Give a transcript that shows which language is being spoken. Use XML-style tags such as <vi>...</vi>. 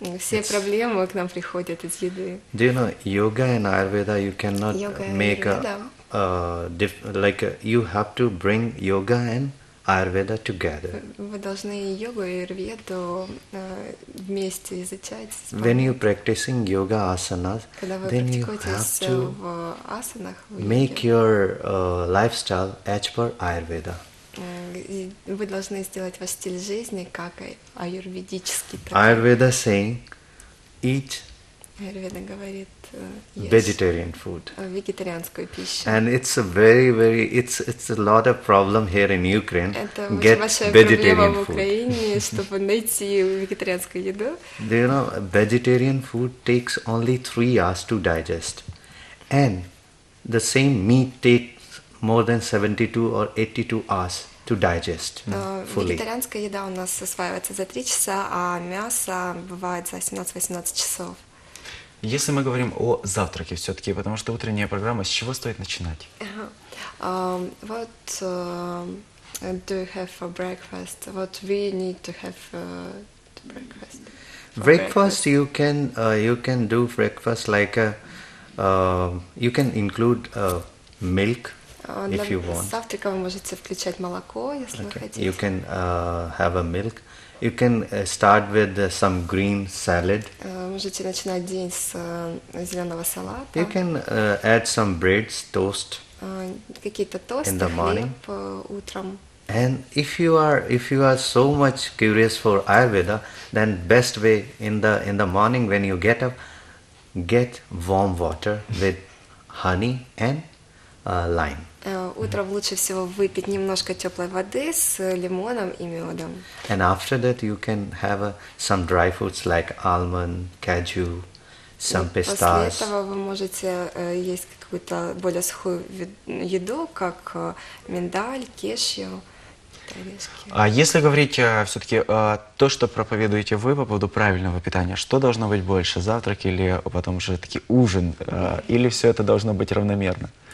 <ru>Все проблемы к нам приходят из еды.</ru> <en>Do you know yoga and Ayurveda? You cannot make a like you have to bring yoga and Ayurveda together.</en> <ru>Вы должны йогу и аюрведу вместе изучать.</ru> <en>When you're practicing yoga asanas, then you have to</en> <ru>в асанах, в</ru> <en>make your lifestyle as per Ayurveda.</en> <ru>Вы должны сделать ваш стиль жизни как аюрведический.</ru> <en>Ayurveda saying, eat.</en> <ru>Ayurveda говорит.</ru> <en>Vegetarian food.</en> <ru>Вегетарианскую пищу.</ru> <en>And it's a very it's a lot of problem here in Ukraine.</en> <ru>Это</ru> <en>get vegetarian food.</en> <ru>Это большая проблема в Украине, чтобы найти вегетарианскую еду.</ru> <en>Do you know vegetarian food takes only 3 hours to digest, and the same meat takes more than 72 or 82 hours to digest fully.</en> <ru>Вегетарианская еда у нас осваивается за 3 часа, а мясо бывает за 17-18 часов. Если мы говорим о завтраке все-таки, потому что утренняя программа, с чего стоит начинать?</ru> <en>What do you have for breakfast? What we need to have to breakfast? Breakfast, you can do breakfast like you can include milk if you want.</en> <ru>Завтрака вы можете включать молоко, если вы хотите.</ru> <en>You can have a milk. You can start with some green salad.</en> <ru>Можете начинать день с зеленого салата.</ru> <en>You can add some breads, toast.</en> <ru>Какие-то тосты,</ru> <en>in the morning.</en> <ru>Утром.</ru> <en>And if you are so much curious for Ayurveda, then best way in the morning when you get up, get warm water with honey and lime.</en> <ru>Утром лучше всего выпить немножко теплой воды с лимоном и медом.</ru> <en>And after that you can have some dry foods like almond, cashew, some pistachios.</en> <ru>После этого вы можете есть какую-то более сухую еду, как миндаль, кешью. А если говорить все-таки то, что проповедуете вы по поводу правильного питания, что должно быть больше, завтрак или потом уже таки ужин, или все это должно быть равномерно?</ru>